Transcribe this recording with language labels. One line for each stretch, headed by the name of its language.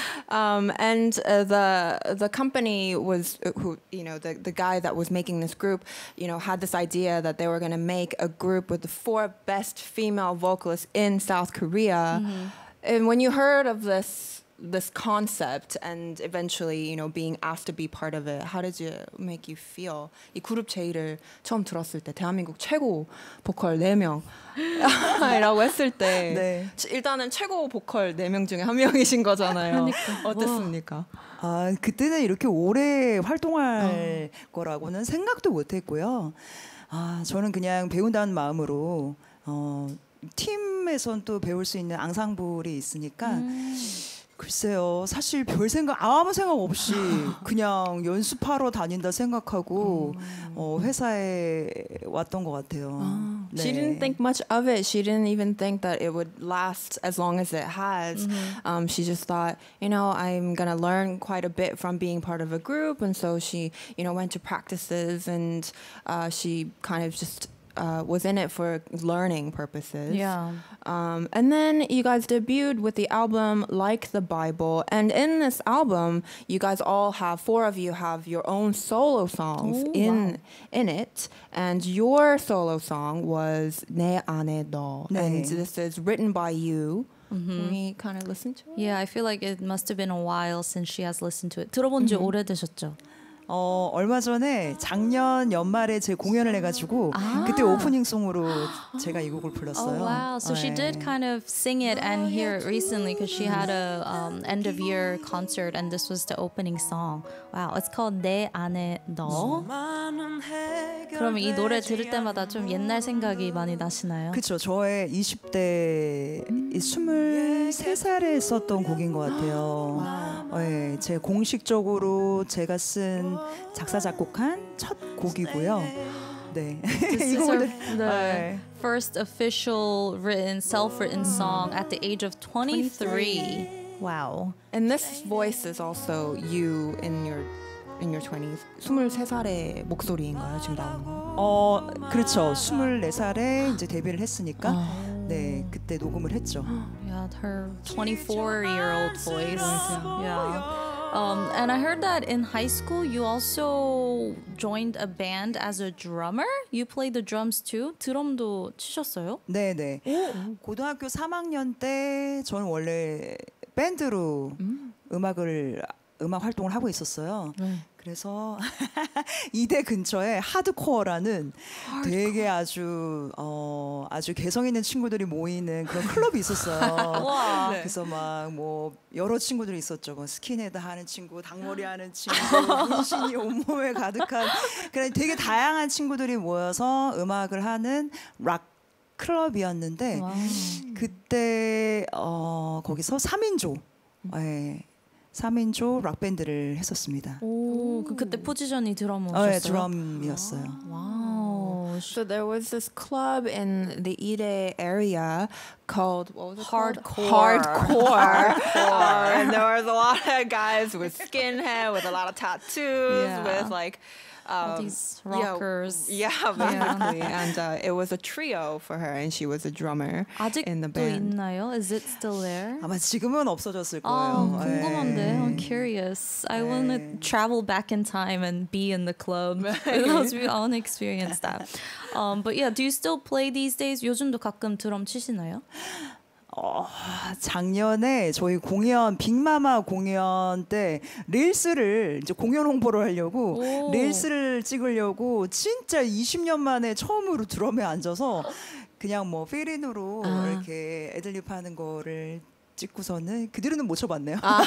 English: And the company was who, you know, the guy that was making this group, you know, had this idea that they were going to make a group with the four best female vocalists in South Korea. Mm-hmm. And when you heard of this concept and eventually, you know, being asked to be part of it, how did it make you feel?
Korean: 이 그룹 제의를 처음 들었을 때 대한민국 최고 보컬 4명 이라고 했을 때 네. 일단은 최고 보컬 4명 중에 한 명이신 거잖아요. 그러니까. 어땠습니까? 그때는 이렇게 오래 활동할 거라고는 생각도 못했고요. 저는 그냥 배운다는 마음으로 팀에선 또 배울 수 있는 앙상블이 있으니까 글쎄요. 사실 별 생각 아무 생각 없이 그냥 연습하러 다닌다 생각하고 회사에 왔던 것 같아요.
English: She didn't think much of it. She didn't even think that it would last as long as it has. She just thought, you know, I'm going to learn quite a bit from being part of a group. And so she, you know, went to practices and she kind of just was in it for learning purposes. And then you guys debuted with the album Like the Bible, and in this album you guys all have, four of you have your own solo songs in it, and your solo song was 내 안에 너. And this is written by you. Can we kind of listen to it? Yeah, I feel like it must have been a while since she has listened to it.
Korean: 들어본 지 오래되셨죠? 얼마 전에 작년 연말에 제 공연을 해가지고 그때 오프닝송으로 제가 이 곡을 불렀어요.
English: Oh, wow. So she did kind of sing it and hear it recently because she had a end of year concert and this was the opening song. Wow, it's called 내 안에 너.
Korean: 그럼 이 노래 들을 때마다 좀 옛날 생각이 많이 나시나요? 그렇죠. 저의 20대 23살에 썼던 곡인 것 같아요. 제 공식적으로 제가 쓴 작사 작곡한 첫 곡이고요. 네. 이 곡을
English: first official written, self-written song at the age of 23. Wow. And this voice is also you in your 20s.
Korean: 23살의 목소리인가요, 지금 나오는 거? 그렇죠. 24살에 이제 데뷔를 했으니까 네, 그때 녹음을 했죠.
English: Yeah, her 24-year-old voice. Yeah. And I heard that in high school you also joined a band as a drummer. You played the drums too.
Korean: 드럼도 치셨어요? 네, 네. 고등학교 3학년 때 저는 원래 밴드로 음악 활동을 하고 있었어요. 그래서 이대 근처에 하드코어라는 되게 아주 아주 개성 있는 친구들이 모이는 그런 클럽이 있었어요. 네. 그래서 막 뭐 여러 친구들이 있었죠. 뭐 스킨헤드 하는 친구, 당머리 하는 친구, 문신이 온몸에 가득한 그런 되게 다양한 친구들이 모여서 음악을 하는 락 클럽이었는데 그때 거기서 3인조 3인조 락 밴드를 했었습니다. 오, 그때 포지션이 드럼이었어요. 네, 드럼이었어요. 와우.
English: So there was this club in the Ide area called what was it hardcore. Called? Hardcore. And there was a lot of guys with skin hair, with a lot of tattoos, yeah. with like these rockers. Yeah, yeah basically. Yeah. And it was a trio for her, and she was a drummer in the band.
Korean: 아직도 있나요?
English: Is it still there?
Korean: 아마 지금은 없어졌을 거예요. 궁금한데, 네.
English: I'm curious.
Korean: 네.
English: I want to travel back in time and be in the club. I want to experience that. But yeah, do you still play these days?
Korean: 요즘도 가끔 드럼 치시나요? 작년에 저희 공연 빅마마 공연 때 릴스를 이제 공연 홍보를 하려고 릴스를 찍으려고 진짜 20년 만에 처음으로 드럼에 앉아서 그냥 뭐 필인으로 이렇게 애들립 하는 거를 찍고서는 그 뒤로는 못 쳐봤네요.